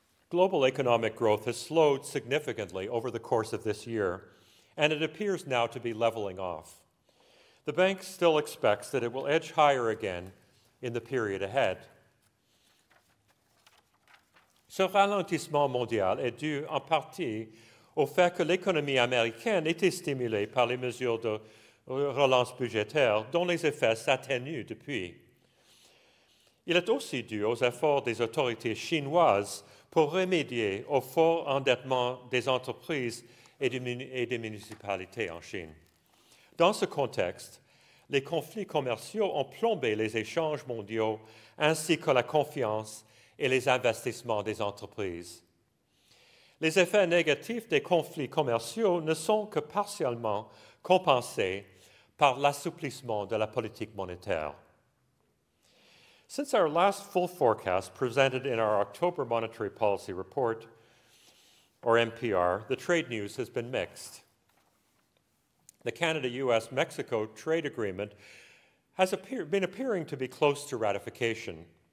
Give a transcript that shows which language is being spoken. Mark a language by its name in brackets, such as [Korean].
[English] Global economic growth has slowed significantly over the course of this year, and it appears now to be leveling off. The bank still expects that it will edge higher again in the period ahead. [French] Ce ralentissement mondial est dû en partie au fait que l'économie américaine était stimulée par les mesures de relance budgétaire dont les effets s'atténuent depuis. Il est aussi dû aux efforts des autorités chinoises pour remédier au fort endettement des entreprises et des municipalités en Chine. Dans ce contexte, les conflits commerciaux ont plombé les échanges mondiaux ainsi que la confiance et les investissements des entreprises. Les effets négatifs des conflits commerciaux ne sont que partiellement compensés par l'assouplissement de la politique monétaire. [English] Since our last full forecast presented in our October Monetary Policy Report, or MPR, the trade news has been mixed. The Canada-US-Mexico trade agreement has been appearing to be close to ratification.